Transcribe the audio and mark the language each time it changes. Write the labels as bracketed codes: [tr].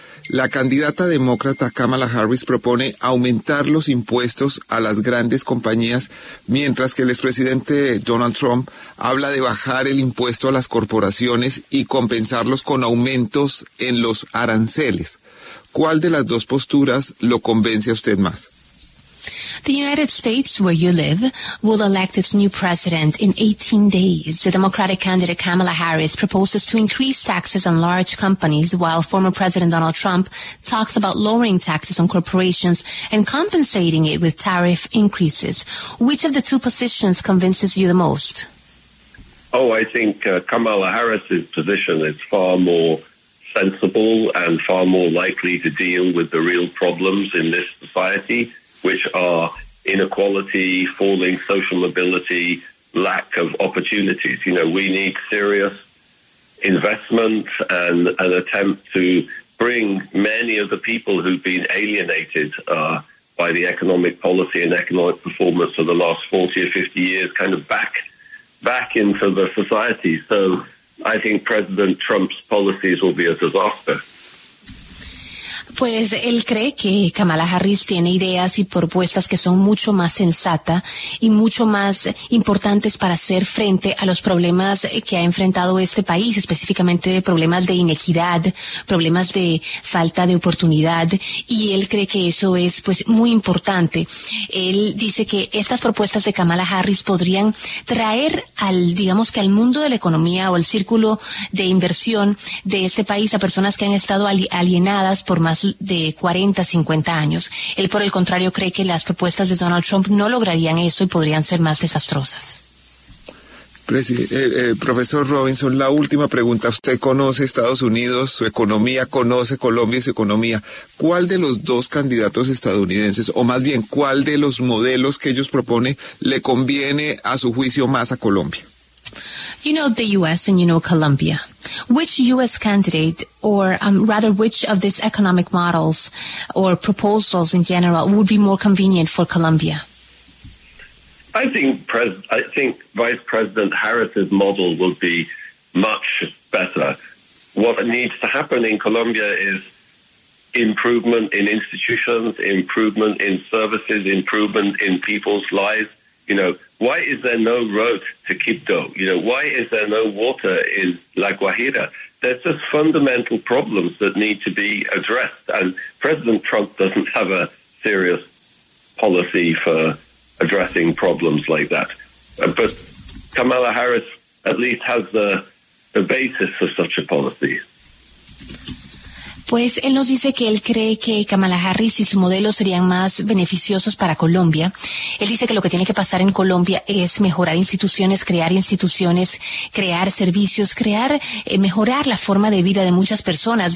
[es] La candidata demócrata Kamala Harris propone aumentar los impuestos a las grandes compañías, mientras que el expresidente Donald Trump habla de bajar el impuesto a las corporaciones y compensarlos con aumentos en los aranceles. ¿Cuál de las dos posturas lo convence a usted más? [en] The United States, where you live, will elect its new president in 18 days. The Democratic candidate Kamala Harris proposes to increase taxes on large companies, while former President Donald Trump talks about lowering taxes on corporations and compensating it with tariff increases. Which of the two positions convinces you the most? Oh, I think Kamala Harris's position is far more sensible and far more likely to deal with the real problems in this society, which are inequality, falling social mobility, lack of opportunities. You know, we need serious investment and an attempt to bring many of the people who've been alienated by the economic policy and economic performance of the last 40 or 50 years kind of back into the society. So I think President Trump's policies will be a disaster. [es] Pues él cree que Kamala Harris tiene ideas y propuestas que son mucho más sensatas y mucho más importantes para hacer frente a los problemas que ha enfrentado este país, específicamente problemas de inequidad, problemas de falta de oportunidad, y él cree que eso es pues muy importante. Él dice que estas propuestas de Kamala Harris podrían traer al, digamos que al mundo de la economía o al círculo de inversión de este país a personas que han estado alienadas por más de 40, 50 años. Él, por el contrario, cree que las propuestas de Donald Trump no lograrían eso y podrían ser más desastrosas. Profesor Robinson, la última pregunta. Usted conoce Estados Unidos, su economía, conoce Colombia y su economía. ¿Cuál de los dos candidatos estadounidenses, o más bien, cuál de los modelos que ellos proponen le conviene a su juicio más a Colombia? [en] You know the U.S. and you know Colombia. Which U.S. candidate, or rather, which of these economic models or proposals in general would be more convenient for Colombia? I think Vice President Harris's model would be much better. What needs to happen in Colombia is improvement in institutions, improvement in services, improvement in people's lives. You know, why is there no road to Quibdó? You know, why is there no water in La Guajira? There's just fundamental problems that need to be addressed. And President Trump doesn't have a serious policy for addressing problems like that. But Kamala Harris at least has the basis for such a policy. [es] Pues él nos dice que él cree que Kamala Harris y su modelo serían más beneficiosos para Colombia. Él dice que lo que tiene que pasar en Colombia es mejorar instituciones, crear servicios, mejorar la forma de vida de muchas personas.